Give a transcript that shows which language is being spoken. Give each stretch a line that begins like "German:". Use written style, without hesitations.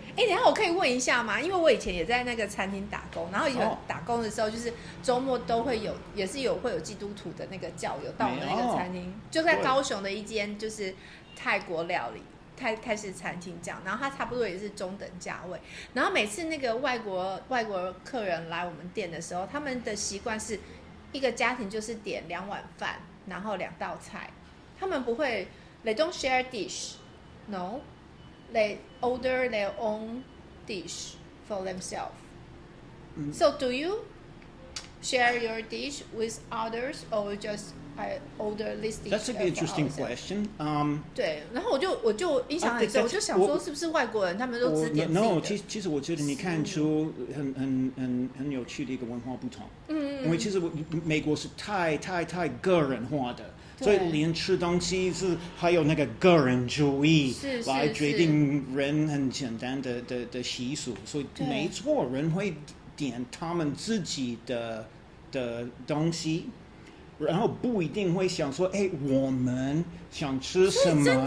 Chinese: 等一下我可以问一下吗？因为我以前也在那个餐厅打工，然后以前打工的时候就是周末都会有，也是有会有基督徒的那个教友到那个餐厅，就在高雄的一间就是泰国料理泰式餐厅这样，然后它差不多也是中等价位，然后每次那个外国客人来我们店的时候，他们的习惯是一个家庭就是点两碗饭，然后两道菜，他们不会
English: they don't share dish， no。 They order their own dish for themselves.、So, do you share your dish with others, or just I order this dish? That's an interesting question.
Chinese: 对，然后我就印象很深，我就想说，是不是外国人他们都只点自己的？
English: No，
Chinese: 其实我觉得你看出很有趣的一个文化不同。因为其实美国是太个人化的。所以连吃东西是还有那个个人主义来决定人很简单 的习俗，所以没错，人会点他们自己 的东西，然后不一定会想说，哎，我们想吃什么，